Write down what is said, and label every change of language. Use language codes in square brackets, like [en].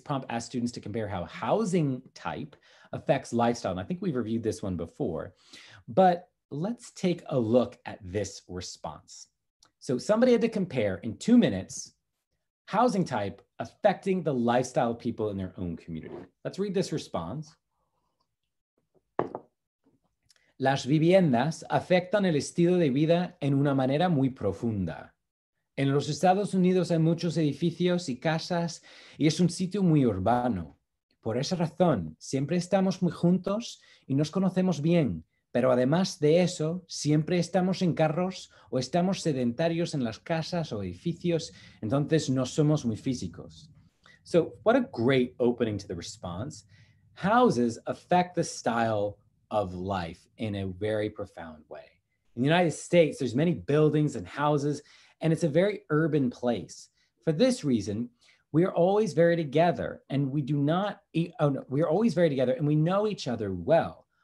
[en] Prompt asked students to compare how housing type affects lifestyle. And I think we've reviewed this one before, but let's take a look at this response. So somebody had to compare in 2 minutes, housing type affecting the lifestyle of people in their own community. Let's read this response. [es] Las viviendas afectan el estilo de vida en una manera muy profunda. En los Estados Unidos hay muchos edificios y casas y es un sitio muy urbano. Por esa razón, siempre estamos muy juntos y nos conocemos bien. Pero además de eso, siempre estamos en carros o estamos sedentarios en las casas o edificios, entonces no somos muy físicos. [en] So what a great opening to the response. Houses affect the style of life in a very profound way. In the United States, there's many buildings and houses, and it's a very urban place. For this reason, we are always very together, and we know each other well.